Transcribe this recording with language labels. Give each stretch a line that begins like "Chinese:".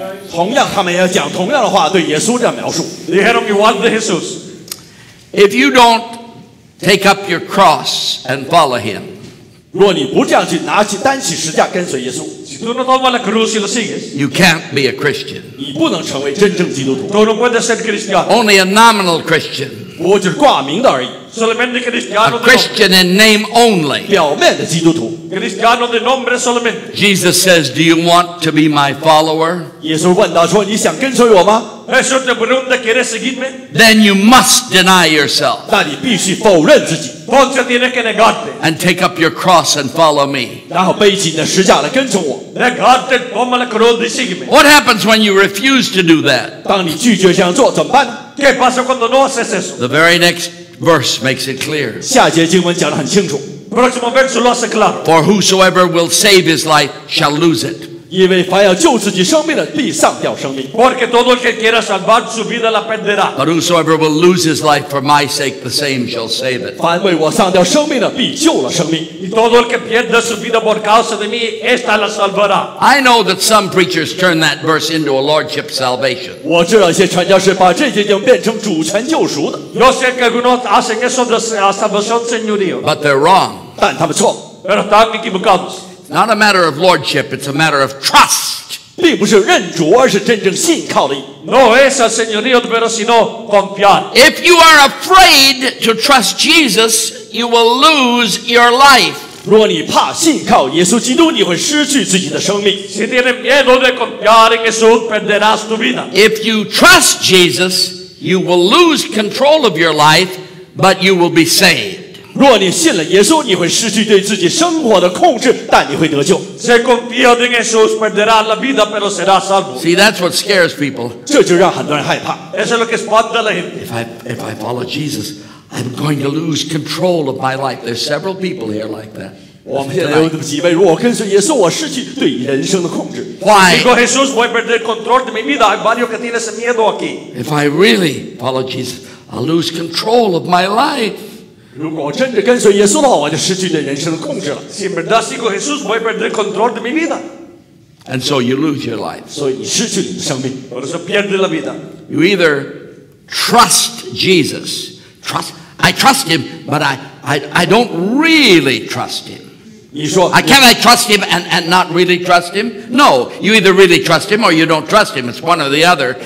Chinese: 同样，他们也讲同样的话，对耶稣这样描述。
Spanish: Dijeron igual de Jesús.
English: If you don't take up your cross and follow him.
Chinese: 若你不这样去拿起担起十字架跟随耶稣
English: You can't be a Christian.
Chinese: 你不能成为真正基督徒
Spanish: No, no puede ser cristiano.
English: Only a nominal Christian.
Chinese: 我只是挂名的而已
Spanish: Solamente cristiano.
English: A Christian in name only.
Chinese: 表面的基督徒
Spanish: Cristiano de nombre solamente.
English: Jesus says, do you want to be my follower?
Chinese: 耶稣问他说你想跟随我吗
Spanish: Jesús te pregunta, ¿quieres seguirme?
English: Then you must deny yourself.
Chinese: 那你必须否认自己
English: And take up your cross and follow me.
Chinese: 然后背起你的十字架来跟从我
English: What happens when you refuse to do that?
Chinese: 当你拒绝这样做怎么办
Spanish: ¿Qué pasa cuando no haces eso?
English: The very next verse makes it clear.
Chinese: 下节经文讲得很清楚
Spanish: Próximo verso lo hace claro.
English: For whosoever will save his life shall lose it.
Chinese: 因为凡要救自己生命的必丧掉生命
Spanish: Porque todo el que quiera salvar su vida la perderá
English: But whosoever will lose his life for my sake the same shall save it
Chinese: 凡为我丧掉生命的必救了生命
Spanish: Y todo el que pierda su vida por causa de mí esta la salvará
English: I know that some preachers turn that verse into a lordship salvation
Chinese: 我知道一些传教士把这些经变成主权救赎的
Spanish: Yo sé que algunos hacen eso de salvación señorío
English: But they're wrong
Chinese: 但他们错
Spanish: Pero están equivocados
English: Not a matter of lordship, it's a matter of trust.
Chinese: 并不是认主，而是真正信靠的。
Spanish: No es el señorío, pero sino confiar.
English: If you are afraid to trust Jesus, you will lose your life.
Chinese: 若你怕信靠耶稣基督，你会失去自己的生命。
Spanish: Si tienes miedo de confiar en Jesús, perderás tu vida.
English: If you trust Jesus, you will lose control of your life, but you will be saved.
Chinese: 若你信了耶稣，你会失去对自己生活的控制，但你会得救。
Spanish: Se confía en Jesús perderá la vida, pero será salvo.
English: See, that's what scares people.
Chinese: 这就让很多人害怕。
Spanish: Eso es lo que espanta a la gente.
English: If I follow Jesus, I'm going to lose control of my life. There's several people here like that.
Chinese: 我们现在有几位，如果跟随耶稣，我失去对人生的控制。
English: Why?
Spanish: Si con Jesús voy a perder control de mi vida, hay varios que tienen ese miedo aquí.
English: If I really follow Jesus, I'll lose control of my life.
Chinese: 如果真的跟随耶稣的话，我就失去对人生的控制了。
Spanish: Si verdad sigo Jesús, voy a perder control de mi vida.
English: And so you lose your life.
Chinese: 所以你失去你的生命。
Spanish: Por eso pierde la vida.
English: You either trust Jesus, I trust him, but I don't really trust him.
Chinese: 你说
English: Can I trust him and not really trust him? No, you either really trust him or you don't trust him. It's one or the other.